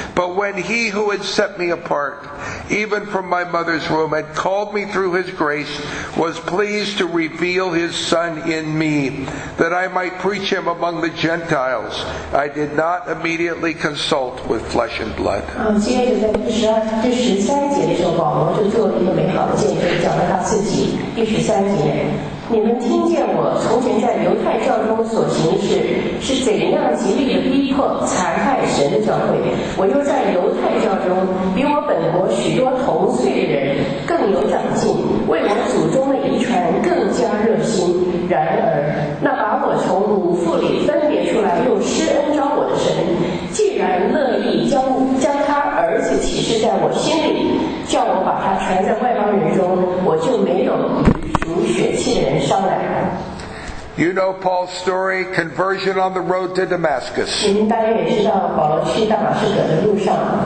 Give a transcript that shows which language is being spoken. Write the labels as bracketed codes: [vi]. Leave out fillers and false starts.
[en] But when he who had set me apart, even from my mother's womb, had called me through his grace, was pleased to reveal his son in me, that I might preach him among the Gentiles, I did not immediately consult with flesh and blood. [zh] 接着在第十三节的时候，保罗就做了一个美好的见证，讲了他自己。第十三节，你们听见我从前在犹太教中所行事，是怎样极力的逼迫、残害神的教会。我又在犹太教中，比我本国许多同岁的人更有长进，为我祖宗的遗传更加热心。然而，那把我从母腹里分别出来又施恩召我的神，既然乐意将他儿子启示在我心里，叫我把他传在外邦人中，我就没有与血气的人商量。 [en] You know Paul's story, conversion on the road to Damascus. [zh] 您大约也知道保罗去大马士革的路上。